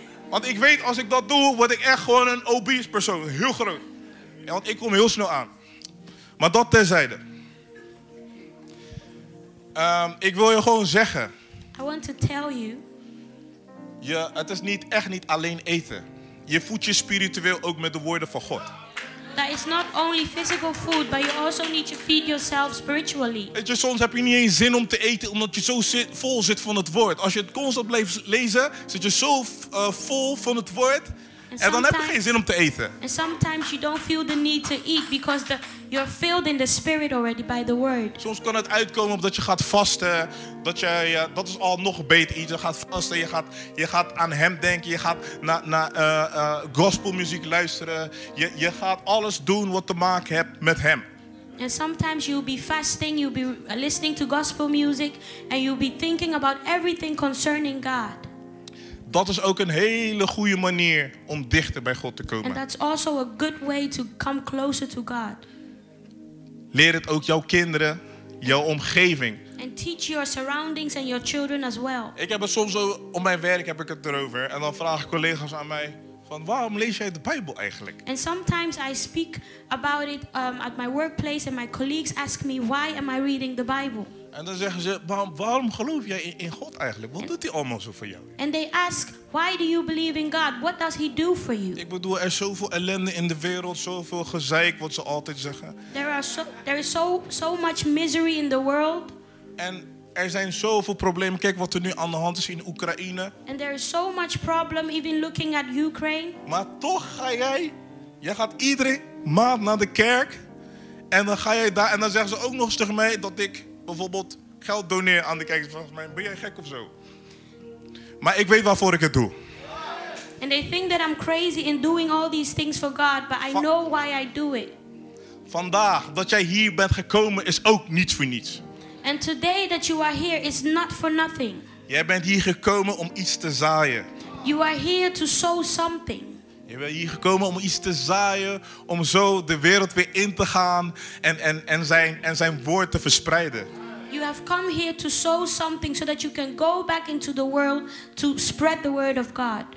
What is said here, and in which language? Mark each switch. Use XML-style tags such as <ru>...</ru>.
<nl>Want ik weet, als ik dat doe, word ik echt gewoon een obese persoon. Heel groot. Ja, want ik kom heel snel aan. Maar dat terzijde. Ik wil je gewoon zeggen.</nl> <en>I want to tell you.</en> <nl>Het is niet echt niet alleen eten. Je voedt je spiritueel ook met de woorden van God.</nl> <en>That is not only physical food, but you also need to feed yourself spiritually.</en> <nl>Weet je, soms heb je niet eens zin om te eten, omdat je zo vol zit van het woord. Als je het constant blijft lezen, zit je zo vol van het woord. En dan heb je geen zin om te eten.</nl> <en>And sometimes you don't feel the need to eat because you're filled in the spirit already by the word.</en> <nl>Soms kan het uitkomen op dat je gaat vasten, dat is al nog beter. Je gaat vasten, je gaat aan hem denken, je gaat naar gospelmuziek luisteren, je gaat alles doen wat te maken hebt met hem.</nl> <en>And sometimes you'll be fasting, you'll be listening to gospel music, and you'll be thinking about everything concerning God.</en> <nl>Dat is ook een hele goede manier om dichter bij God te komen.</nl> <en>And that's also a good way to come closer to God.</en> <nl>Leer het ook jouw kinderen, jouw omgeving.</nl> <en>And teach your surroundings and your children as well.</en> <nl>Ik heb het soms zo, op mijn werk heb ik het erover. En dan vragen collega's aan mij, van waarom lees jij de Bijbel eigenlijk?</nl> <en>And sometimes I speak about it at my workplace and my colleagues ask me, why am I reading the Bible?</en> <nl>En dan zeggen ze, waarom geloof jij in God eigenlijk? Wat doet hij allemaal zo voor jou?</nl> <en>And they ask, why do you believe in God? What does he do for you?</en> <nl>Ik bedoel, er is zoveel ellende in de wereld, zoveel gezeik, wat ze altijd zeggen.</nl> <en>There is so much misery in the world.</en> <nl>En er zijn zoveel problemen. Kijk wat er nu aan de hand is in Oekraïne.</nl> <en>And there is so much problem even looking at Ukraine.</en> <nl>Maar toch ga jij gaat iedere maand naar de kerk. En dan ga jij daar, en dan zeggen ze ook nog eens tegen mij dat ik bijvoorbeeld geld doneren aan de kijkers. Volgens mij, ben jij gek of zo? Maar ik weet waarvoor ik het doe.</nl> <en>And they think that I'm crazy in doing all these things for God, but I know why I do it.</en> <nl>Vandaag dat jij hier bent gekomen is ook niets voor niets.</nl> <en>And today that you are here is not for nothing.</en> <nl>Jij bent hier gekomen om iets te zaaien.</nl> <en>You are here to sow something.</en> <nl>Je bent hier gekomen om iets te zaaien, om zo de wereld weer in te gaan en zijn woord te verspreiden.</nl> <en>You have come here to sow something so that you can go back into the world to spread the word of God.</en>